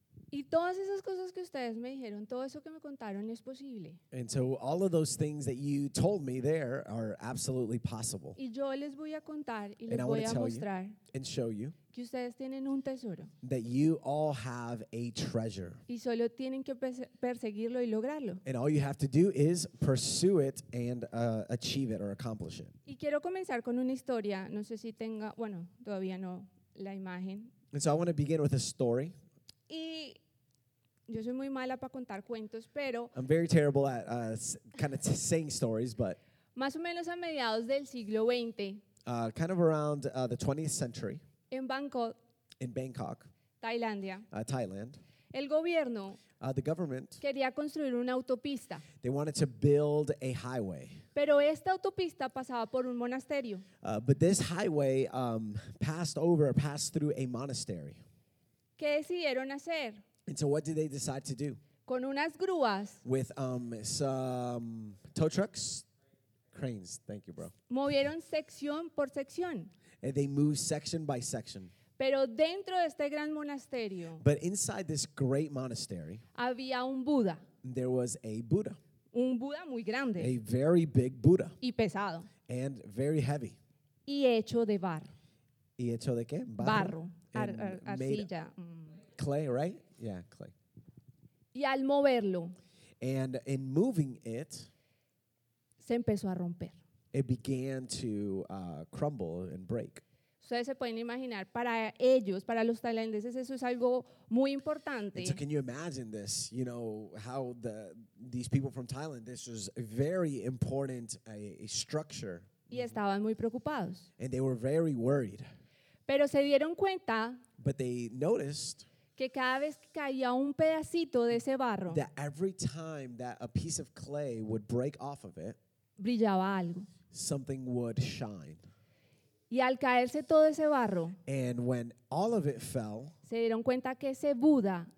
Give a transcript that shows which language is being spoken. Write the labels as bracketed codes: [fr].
[es] ¿Y Y todas esas cosas que ustedes me dijeron, todo eso que me contaron es posible. [en] And so all of those things that you told me there are absolutely possible. [es] Y yo les voy a contar y les voy a mostrar. [en] And show you. [es] Que ustedes tienen un tesoro. [en] That you all have a treasure. [es] Y solo tienen que perseguirlo y lograrlo. [en] And all you have to do is pursue it and achieve it or accomplish it. [es] Y quiero comenzar con una historia. No sé si tenga, bueno, todavía no la imagen. [en] And so I want to begin with a story. [es] Y yo soy muy mala para contar cuentos, pero [en] I'm very terrible at kind of saying stories, but [es] más o menos a mediados del siglo 20, [en] kind of around the 20th century, in Bangkok, Tailandia, Thailand, [es] el gobierno, [en] the government, [es] quería construir una autopista. [en] They wanted to build a highway. [es] Pero esta autopista pasaba por un monasterio. [en] But this highway passed through a monastery. [es] ¿Qué decidieron hacer? [en] And so what did they decide to do? [es] Con unas grúas. [en] With some tow trucks. Cranes. Thank you, bro. [es] Movieron sección por sección. [en] And they moved section by section. [es] Pero dentro de este gran monasterio. [en] But inside this great monastery. [es] Había un Buda. [en] There was a Buddha. [es] Un Buda muy grande. [en] A very big Buddha. [es] Y pesado. [en] And very heavy. [es] Y hecho de barro. ¿Y hecho de qué? Barro. Barro. Arcilla. [en] Clay, right? Yeah, clay. [es] Y al moverlo, [en] and in moving it, [es] se empezó a romper. [en] It began to crumble and break. [es] Ustedes se pueden imaginar, para ellos, para los tailandeses, eso es algo muy importante. [en] So can you imagine this? You know, how these people from Thailand, this was a very important a structure. [es] Y estaban muy preocupados. [en] And they were very worried. [es] Pero se dieron cuenta que cada vez que caía un pedacito de ese barro, [en] that every time that a piece of clay would break off of it, [es] brillaba algo. [en] Something would shine. [es] Y al caerse todo ese barro, [en] and when all of it fell, [es] se dieron cuenta que ese Buda,